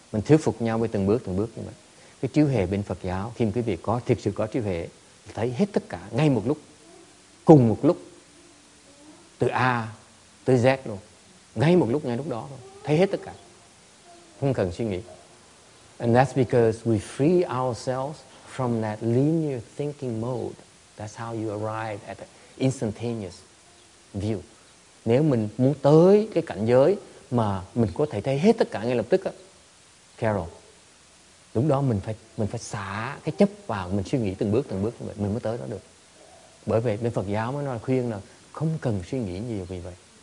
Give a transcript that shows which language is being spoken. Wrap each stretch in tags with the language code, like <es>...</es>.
<vi>Mình thuyết phục nhau với từng bước như vậy. Cái trí huệ bên Phật giáo khi quý vị có thực sự có trí huệ thấy hết tất cả ngay một lúc, cùng một lúc, từ A tới Z luôn, ngay lúc đó luôn, thấy hết tất cả, không cần suy nghĩ.</vi> <en>And that's because we free ourselves from that linear thinking mode. That's how you arrive at the instantaneous view.</en> <vi>Nếu mình muốn tới cái cảnh giới mà mình có thể thấy hết tất cả ngay lập tức á, Carol, lúc đó mình phải xả cái chấp vào, mình suy nghĩ từng bước như vậy, mình mới tới đó được. Bởi vì bên Phật giáo mới nói khuyên là không cần suy nghĩ nhiều vì vậy.</vi>